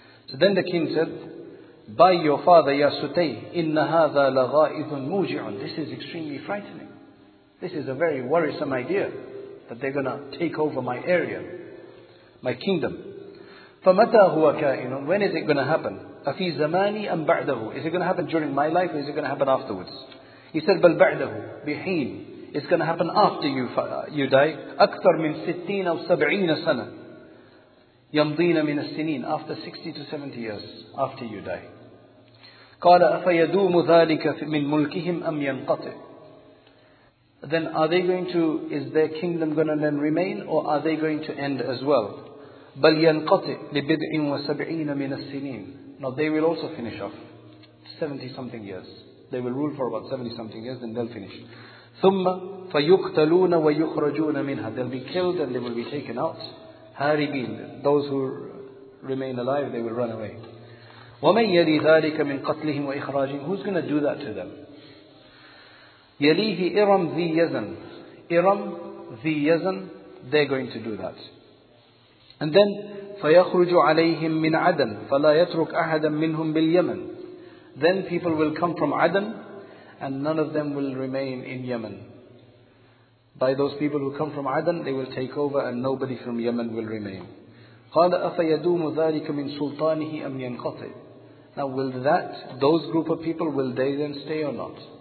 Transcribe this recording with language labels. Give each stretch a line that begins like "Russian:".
English: So then the king said, by your father, Ya Sutayh,
Arabic: إِنَّ هَذَا لَغَائِذٌ مُوجِعٌ.
English: This is extremely frightening. This is a very worrisome idea, that they're going to take over my area, my kingdom.
Arabic: فَمَتَى هُوَ كَائِنٌ.
English: When is it going to happen?
Arabic: أَفِي زَمَانِي أَمْ بَعْدَهُ.
English: Is it going to happen during my life, or is it going to happen afterwards? He said,
Arabic: بَلْ بَعْدَهُ بِحِينٌ.
English: It's going to happen after you die.
Arabic: أكثر من 60 أو 70 سنة يمضين من السنين.
English: After 60 to 70 years after you die.
Arabic: قال أفيدوم ذلك من ملكهم أم ينقطع.
English: Then are they going to, is their kingdom going to then remain, or are they going to end as well?
Arabic: بل ينقطع لبضع وسبعين من السنين.
English: Now they will also finish off 70 something years. They will rule for about 70 something years, then they'll finish.
Arabic: ثُمَّ فَيُقْتَلُونَ وَيُخْرَجُونَ مِنْهَا.
English: They'll be killed and they will be taken out.
Arabic: هَارِبِينَ.
English: Those who remain alive, they will run away.
Arabic: وَمَنْ يَلِي ذَلِكَ مِنْ قَتْلِهِمْ وَإِخْرَاجِهِمْ.
English: Who's going to do that to them?
Arabic: يَلِيهِ إِرَمْ ذِي يَزَنْ. إِرَمْ ذِي يَزَنْ.
English: They're going to do that. And then,
Arabic: فَيَخْرُجُ عَلَيْهِمْ مِنْ عَدَنْ فَلَا يَتْرُكْ أَحَدًا مِنْهُمْ بِالْيَمَنْ.
English: Then people will come from Aden, and none of them will remain in Yemen. By those people who come from Aden, they will take over and nobody from Yemen will remain.
Arabic: قَالَ أَفَيَدُومُ ذَلِكَ مِنْ سُلْطَانِهِ أَمْ يَنْقَطِ.
English: Now will that, those group of people, will they then stay or not?